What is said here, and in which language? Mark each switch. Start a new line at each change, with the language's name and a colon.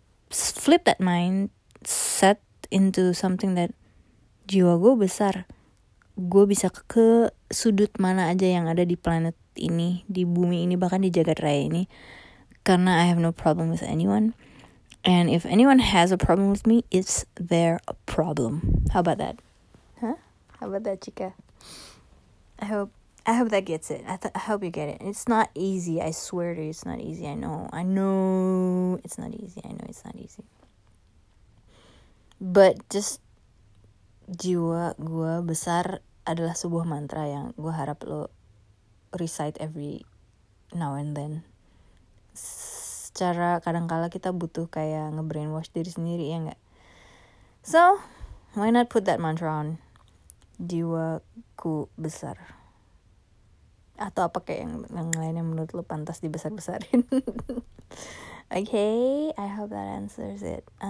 English: Flip that mindset into something that
Indonesian: jiwa gue besar, gue bisa ke sudut mana aja yang ada di planet ini, di bumi ini, bahkan di jagat raya ini,
English: karena I have no problem with anyone, and if anyone has a problem with me, it's their problem. How about that? Huh? How about that, chica? I hope that gets it. I hope you get it. It's not easy. I swear to you, it's not easy. I know it's not easy. But just
Indonesian: jiwa gua besar adalah sebuah mantra yang gua harap lo recite
English: every now and then.
Indonesian: Secara kadang-kala kita butuh kayak nge-brainwash diri sendiri, ya enggak?
English: So, why not put that mantra on?
Indonesian: Jiwaku besar. Atau apa kayak yang lainnya menurut lo pantas dibesar-besarin.
English: Okay, I hope that answers it.